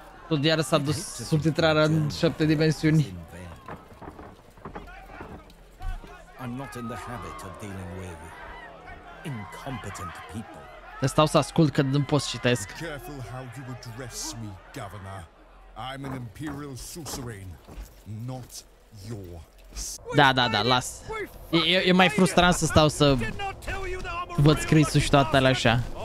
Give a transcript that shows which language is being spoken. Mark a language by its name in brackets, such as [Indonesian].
[Romanian] Tot iară s-a dus subtitrarea în 7 dimensiuni. [English] I'm not in the habit of dealing with incompetent people. [Romanian] Dar stau să ascult că nu pot să citesc. [English] Careful how you address me, Governor. I'm an Imperial suzerain, not your. [Romanian] Da, las. E mai frustrant să stau să văd scrisul și toate alea așa.